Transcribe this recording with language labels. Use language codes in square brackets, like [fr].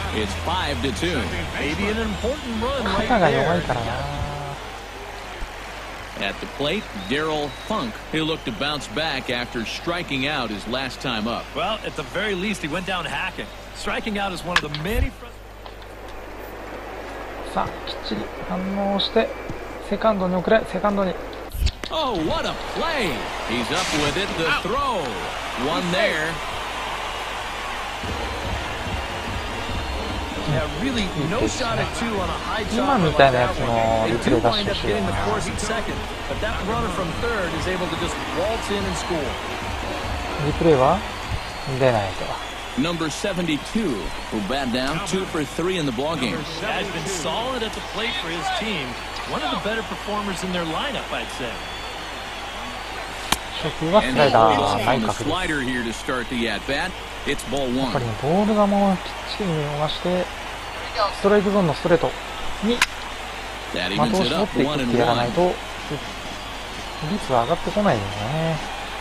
[en] It's 5-2. Maybe an important run right there. At the plate, Daryl Funk. He looked to bounce back after striking out his last time up. Well, at the very least, he went down hacking. Striking out is one of the many... [ja] さあ、きっちり反応してセカンドに送れ、セカンドに。 [en] Oh, what a play! He's up with it, the throw! One there! Yeah, really, no shot at two on a high jump. They do wind up getting the force in second, but that runner from third is able to just waltz in and score. [ja] リプレイは出ないと。 [en] Number 72 will bat down, 2-for-3 in the ball game. Has been solid at the plate for his team. One of the better performers in their lineup, I'd say. And he waits on the slider here to start the at bat. It's ball one. [ja] やっぱりボールがもうきっちり見逃して、ストライクゾーンのストレートに的を絞っていくってやらないと率は上がってこないよね。